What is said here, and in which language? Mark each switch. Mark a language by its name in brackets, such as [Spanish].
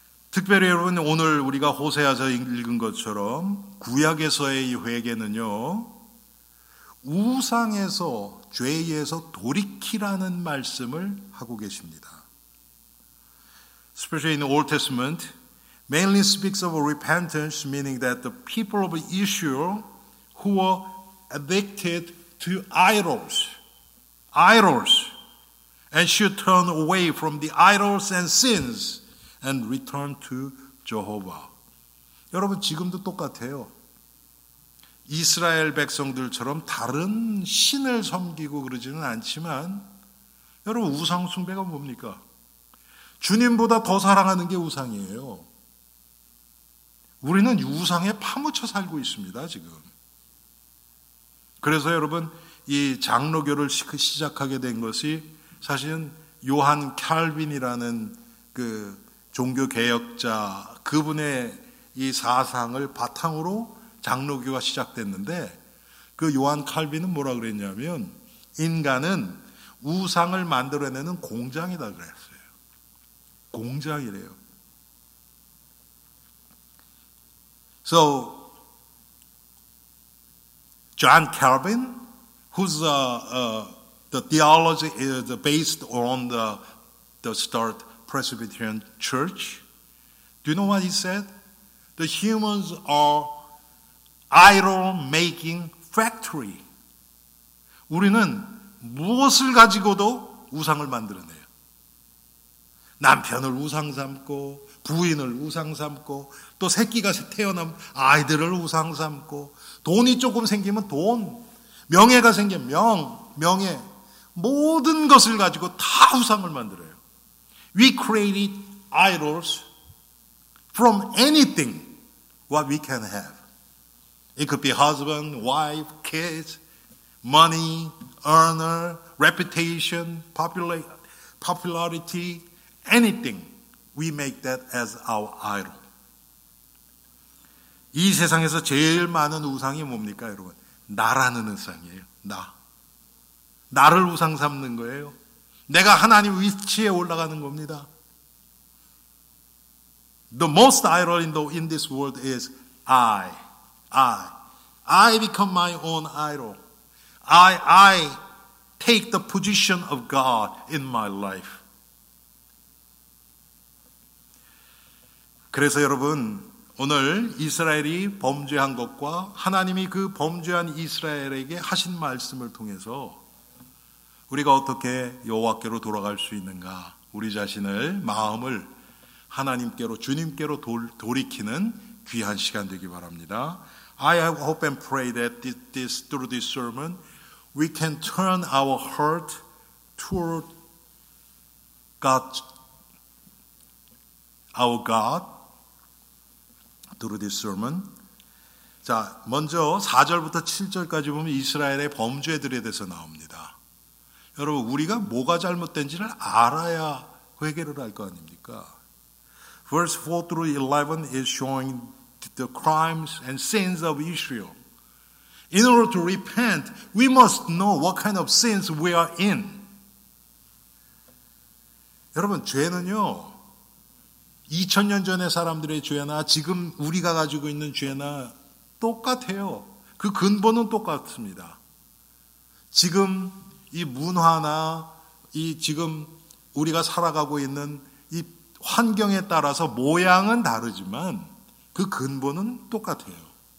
[Korean] 특별히 여러분 오늘 우리가 호세아서 읽은 것처럼 구약에서의 이 회개는요 우상에서 죄에서 돌이키라는 말씀을 하고 계십니다. [English] Especially in the Old Testament, mainly speaks of a repentance, meaning that the people of Israel who were addicted to idols, and should turn away from the idols and sins. And return to Jehovah. [Korean] 여러분 지금도 똑같아요. 이스라엘 백성들처럼 다른 신을 섬기고 그러지는 않지만 여러분 우상 숭배가 뭡니까? 주님보다 더 사랑하는 게 우상이에요. 우리는 우상에 파묻혀 살고 있습니다. 지금. 그래서 여러분 이 장로교를 시작하게 된 것이 사실은 요한 칼빈이라는 그 종교개혁자 그분의 이 사상을 바탕으로 장로교가 시작됐는데 그 요한 칼빈은 뭐라 그랬냐면 인간은 우상을 만들어내는 공장이다 그랬어요. 공장이래요. [English] So John Calvin, who's the theology is based on the start Presbyterian Church. Do you know what he said? The humans are idol-making factory. [Korean] 우리는 무엇을 가지고도 우상을 만들어내요. 남편을 우상 삼고 부인을 우상 삼고 또 새끼가 태어나면 아이들을 우상 삼고 돈이 조금 생기면 돈, 명예가 생기면 명예 모든 것을 가지고 다 우상을 만들어요. [English] We created idols from anything what we can have. It could be husband, wife, kids, money, honor, reputation, popularity, anything. We make that as our idol. [Korean] 이 세상에서 제일 많은 우상이 뭡니까, 여러분? 나라는 우상이에요. 나. 나를 우상 삼는 거예요. 내가 하나님 위치에 올라가는 겁니다. [English] The most idol in this world is I. I become my own idol. I take the position of God in my life. [Korean] 그래서 여러분, 오늘 이스라엘이 범죄한 것과 하나님이 그 범죄한 이스라엘에게 하신 말씀을 통해서 우리가 어떻게 여호와께로 돌아갈 수 있는가, 우리 자신을, 마음을 하나님께로, 주님께로 돌이키는 귀한 시간 되기 바랍니다. [English] I hope and pray that through this sermon, we can turn our heart toward God, our God, through this sermon. [Korean] 자, 먼저 4절부터 7절까지 보면 이스라엘의 범죄들에 대해서 나옵니다. 여러분, 우리가 뭐가 잘못된지를 알아야 회개를 할 거 아닙니까? [English] Verse 4 through 11 is showing the crimes and sins of Israel. In order to repent, we must know what kind of sins we are in. [Korean] 여러분, 죄는요, 2000년 전의 사람들의 죄나 지금 우리가 가지고 있는 죄나 똑같아요. 그 근본은 똑같습니다. 지금 이 문화나 이 지금 우리가 살아가고 있는 이 환경에 따라서 모양은 다르지만 그 근본은 똑같아요.